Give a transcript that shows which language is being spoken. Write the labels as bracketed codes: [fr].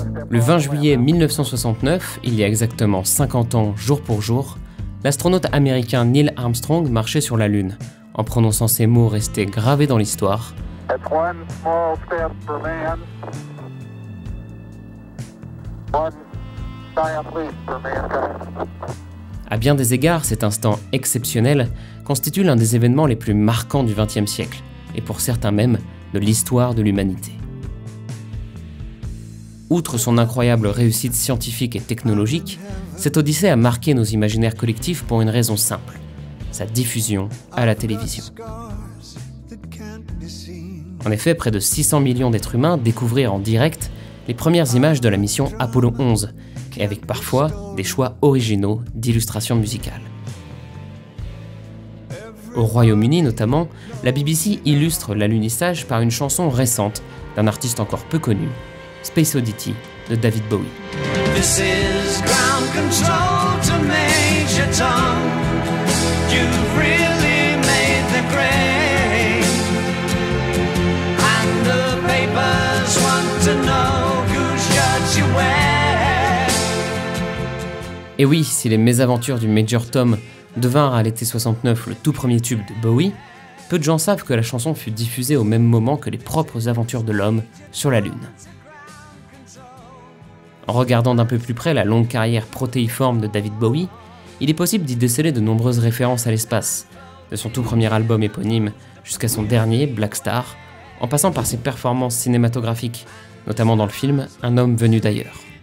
[fr] Le 20 juillet 1969, il y a exactement 50 ans, jour pour jour, l'astronaute américain Neil Armstrong marchait sur la Lune, en prononçant ces mots restés gravés dans l'histoire. [en] That's one small step for man, one giant leap for mankind. [fr] À bien des égards, cet instant exceptionnel constitue l'un des événements les plus marquants du XXe siècle, et pour certains même, de l'histoire de l'humanité. Outre son incroyable réussite scientifique et technologique, cette odyssée a marqué nos imaginaires collectifs pour une raison simple, sa diffusion à la télévision. En effet, près de 600 millions d'êtres humains découvrirent en direct les premières images de la mission Apollo 11, et avec parfois des choix originaux d'illustration musicale. Au Royaume-Uni notamment, la BBC illustre l'alunissage par une chanson récente d'un artiste encore peu connu, Space Oddity, de David Bowie. [en] This is ground control to Major Tom. You've really made the grade. And the papers want to know whose shirt you wear. [fr] Et oui, si les mésaventures du Major Tom devinrent à l'été 69 le tout premier tube de Bowie, peu de gens savent que la chanson fut diffusée au même moment que les propres aventures de l'homme sur la Lune. En regardant d'un peu plus près la longue carrière protéiforme de David Bowie, il est possible d'y déceler de nombreuses références à l'espace, de son tout premier album éponyme jusqu'à son dernier, Black Star, en passant par ses performances cinématographiques, notamment dans le film Un homme venu d'ailleurs.